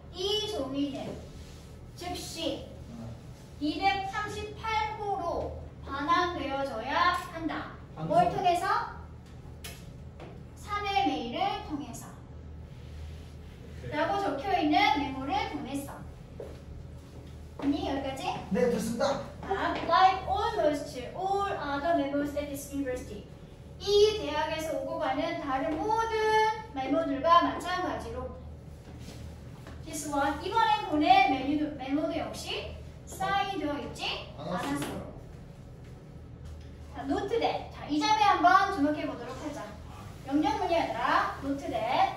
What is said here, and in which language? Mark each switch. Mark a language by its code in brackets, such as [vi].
[ko] 이 종이는 즉시 238호로 반환되어져야 한다. 뭘 통해서? 사내 메일을 통해서. 라고 적혀있는 메모를 보냈어. 언니 여기까지? 네, 됐습니다. [en] Like all those two, all other memos at this university. [ko] 이 대학에서 오고 가는 다른 모든 메모들과 마찬가지로 [en] This one, [ko] 이번에 보낸 메모도 역시 사인되어 있지 않았어. 자, 노트댓. 자, 이 점에 한번 주목해 보도록 하자. 영역문이 아니라 노트댓.